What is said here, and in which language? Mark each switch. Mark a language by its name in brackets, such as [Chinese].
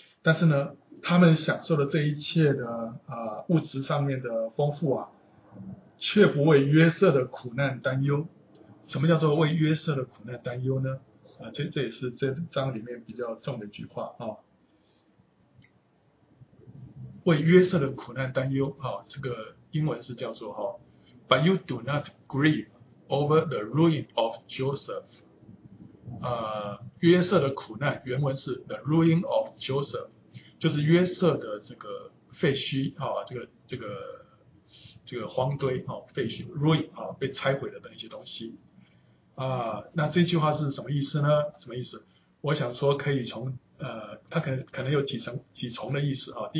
[Chinese] 但是呢，他们享受的这一切的物质上面的丰富啊，却不为约瑟的苦难担忧。什么叫做为约瑟的苦难担忧呢？这也是这章里面比较重的一句话啊。为约瑟的苦难担忧啊，这个英文是叫做啊 ， [English] But you do not grieve over the ruin of Joseph。 [Chinese] 约瑟的苦难原文是 the ruin of Joseph， 就是约瑟的这个废墟啊，这个荒堆啊，废墟 ruin 啊，被拆毁了的那些东西。那这句话是什么意思呢？什么意思？我想说可以从他可能有几重的意思啊。